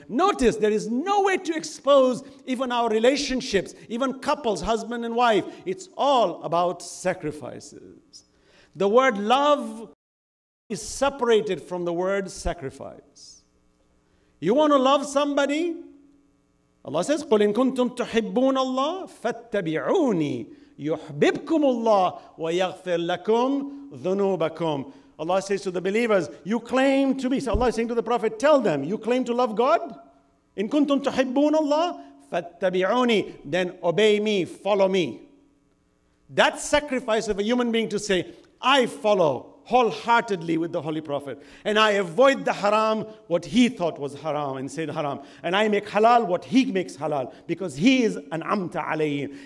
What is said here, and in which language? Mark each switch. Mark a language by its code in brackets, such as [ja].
[en] Notice there is no way to expose even our relationships, even couples, husband and wife. It's all about sacrifices. The word love is separated from the word sacrifice. You want to love somebody? Allah says, [ar] قُلْ إِن كُنْتُمْ تُحِبُّونَ اللَّهِ فَاتَّبِعُونِي يُحْبِبْكُمُ اللَّهِ وَيَغْفِرْ لَكُمْ ذُنُوبَكُمْ. [en] Allah says to the believers, you claim to be, so Allah is saying to the Prophet, tell them, you claim to love God? [ar] إِن كُنْتُمْ تُحِبُّونَ اللَّهِ فَاتَّبِعُونِي, [en] then obey me, follow me. That sacrifice of a human being to say, I follow wholeheartedly with the Holy Prophet, and I avoid the haram, what he thought was haram and said haram, and I make halal what he makes halal, because he is an amta alayhi.